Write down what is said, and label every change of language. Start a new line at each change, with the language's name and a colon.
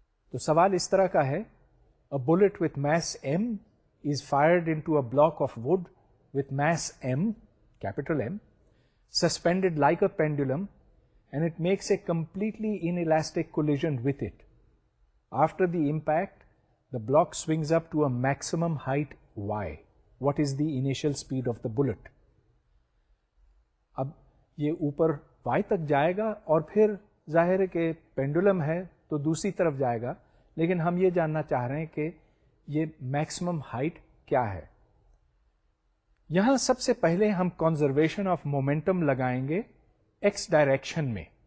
Urdu: تو سوال اس طرح کا ہے,
English: A bullet with mass m is fired into a block of wood with mass m capital M suspended like a pendulum and it makes a completely inelastic collision with it. After the impact the block swings up to a maximum height y. What is the initial speed of the bullet?
Urdu: اب یہ اوپر y تک جائے گا اور پھر ظاہر ہے کہ پینڈولم ہے تو دوسری طرف جائے گا, لیکن ہم یہ جاننا چاہ رہے ہیں کہ یہ میکسیمم ہائٹ کیا ہے. یہاں سب سے پہلے ہم کنزرویشن آف مومنٹم لگائیں گے ایکس ڈائریکشن میں.